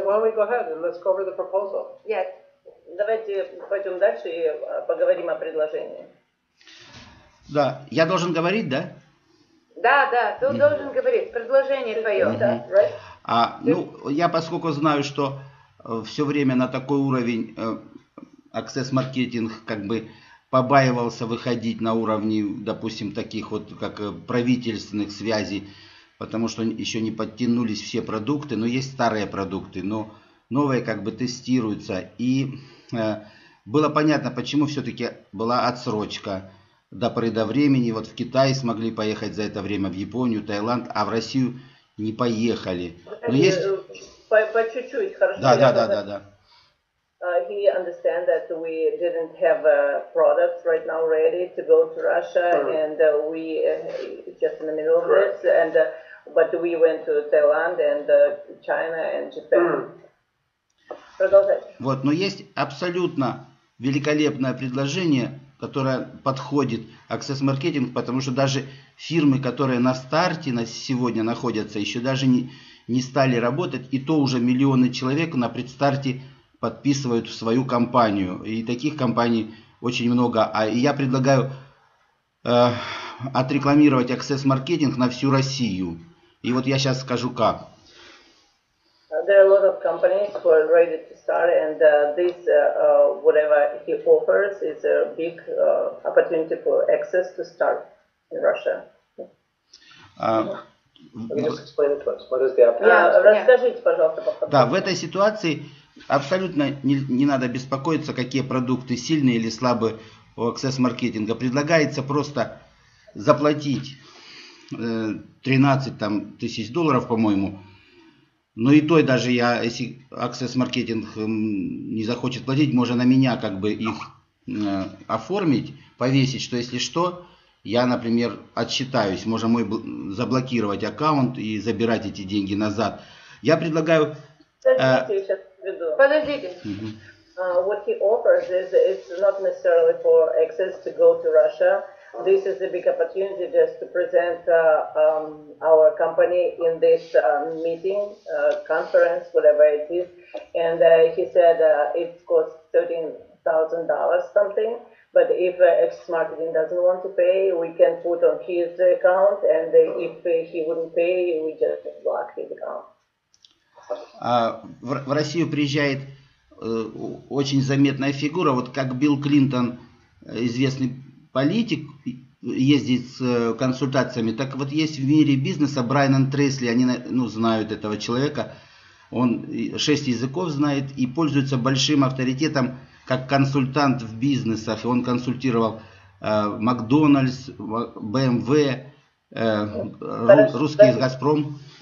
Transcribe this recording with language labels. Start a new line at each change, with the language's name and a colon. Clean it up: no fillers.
English: So why don't we go ahead and let's go over the proposal. Yes.
Russian: Давайте пойдем дальше и поговорим о предложении. Да, я должен говорить, да? Да, ты должен говорить. Предложение твое, да,
English: right?
Russian: Ну, я поскольку знаю, что все время на такой уровень Access Marketing как бы побаивался выходить на уровни, допустим, таких вот как правительственных связей, потому что еще не подтянулись все продукты, но есть старые продукты, но новые как бы тестируются. И было понятно, почему все-таки была отсрочка до поры до времени. Вот в Китай смогли поехать за это время, в Японию, Таиланд, а в Россию не поехали. Но есть... По чуть-чуть, хорошо? Да.
English: He understands that we didn't have a product right now ready to go to Russia, and we just in the middle of this, and but we went to Thailand and China and Japan.
Russian: Продолжай. Вот, но есть абсолютно великолепное предложение, которое подходит Access Marketing, потому что даже фирмы, которые на старте на сегодня находятся, еще даже не стали работать, и то уже миллионы человек на предстарте подписывают в свою компанию. И таких компаний очень много. А я предлагаю отрекламировать Access Marketing на всю Россию. И вот я сейчас скажу как.
English: There are a lot of companies who are ready to start, and this whatever he offers is a big opportunity for Access to start in Russia.
Russian: Расскажите, пожалуйста, по-моему. Да, в этой ситуации абсолютно не надо беспокоиться, какие продукты сильные или слабые у Access Marketing. Предлагается просто заплатить 13 там, тысяч долларов, по-моему. Но и то, и даже я, если Access Marketing не захочет платить, можно на меня как бы их оформить, повесить, что если что, я, например, отсчитаюсь. Можно мой заблокировать аккаунт и забирать эти деньги назад. Я предлагаю Подождите.
English: What he offers is it's not necessarily for access to go to Russia. This is a big opportunity just to present our company in this meeting, conference, whatever it is. And he said it costs $13,000 something. But if Access Marketing doesn't want to pay, we can put on his account. And if he wouldn't pay, we just block his account.
Russian: В Россию приезжает очень заметная фигура, вот как Билл Клинтон, известный политик, ездит с консультациями, так вот есть в мире бизнеса Брайан Трейсли, они знают этого человека, он 6 языков знает и пользуется большим авторитетом как консультант в бизнесах, он консультировал Макдональдс, БМВ, русский Газпром.